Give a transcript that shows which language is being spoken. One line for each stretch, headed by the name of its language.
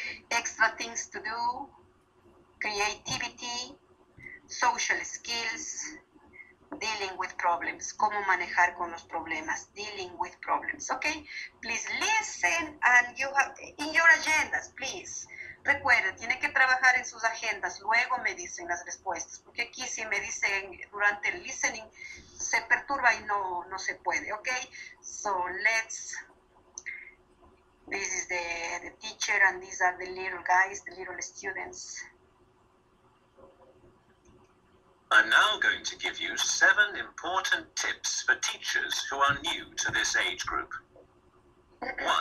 English: Extra things to do, creativity, social skills, dealing with problems,
Spanish: cómo manejar con los problemas,
English: dealing with problems, okay? Please listen and you have, in your agendas, please.
Spanish: Recuerde, tiene que trabajar en sus agendas, luego me dicen las respuestas, porque aquí si me dicen durante el listening, se perturba y no se puede, okay?
English: So let's, this is the teacher and these are the little guys, the little students. I'm now going to give you 7 important tips for teachers who are new to this age group. 1.